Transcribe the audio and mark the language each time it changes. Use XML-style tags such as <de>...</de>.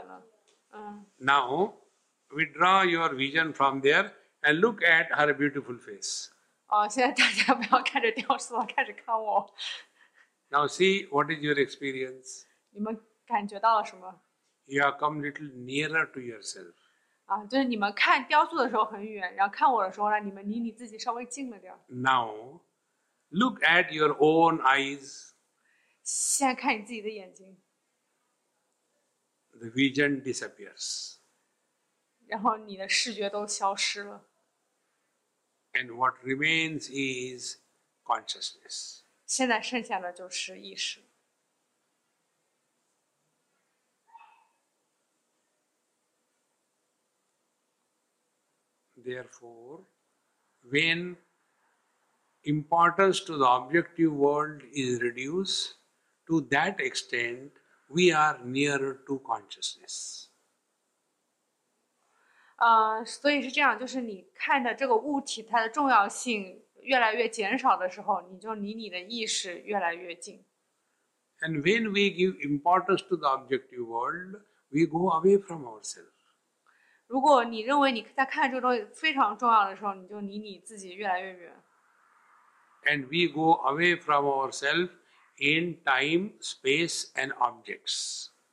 <zh>就是这些好像就代表了你已经离你自己有多远了。</zh> <en>Now, withdraw your vision from there. And look at her beautiful face.</en> <zh>Oh, 现在大家不要看着雕塑，开始看我。</zh> <en>Now see, what is your experience?</en> <zh>你们感觉到了什么?</zh> <en>You have come a little nearer to yourself.</en> <zh>就是你们看雕塑的时候很远，然后看我的时候呢，你们离你自己稍微近了点。</zh> <en>Now, look at your own eyes.</en> <zh>现在看你自己的眼睛。</zh> <en>The vision disappears.</en> <zh>然后你的视觉都消失了。</zh> <en>And what remains is consciousness.</en> <zh>现在剩下的就是意识。</zh> <en>Therefore, when importance to the objective world is reduced to that extent, we are nearer to consciousness.</en> <zh>所以是这样，就是你看的这个物体它的重要性越来越减少的时候，你就离你的意识越来越近。</zh> <en>And when we give importance to the objective world, we go away from ourselves.</en> <zh>如果你认为你在看这个东西非常重要的时候，你就离你自己越来越远。</zh> <en>And we go away from ourselves in time, space, and objects.</en>